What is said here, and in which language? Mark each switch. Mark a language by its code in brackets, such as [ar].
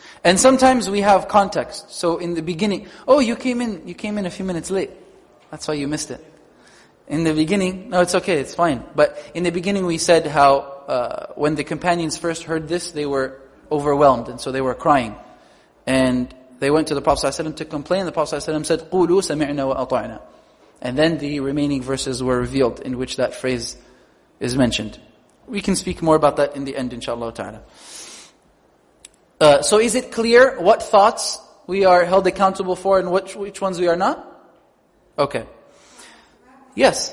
[en] And sometimes we have context. So in the beginning, oh, you came in a few minutes late. That's why you missed it. In the beginning, no, it's okay, it's fine. But in the beginning we said how when the companions first heard this, they were overwhelmed and so they were crying. And they went to the Prophet ﷺ to complain. The Prophet ﷺ said, [ar] قُولُوا سَمِعْنَا وَأَطَعْنَا. [en] And then the remaining verses were revealed in which that phrase is mentioned. We can speak more about that in the end, inshallah ta'ala. So is it clear what thoughts we are held accountable for and which ones we are not? Okay. Yes.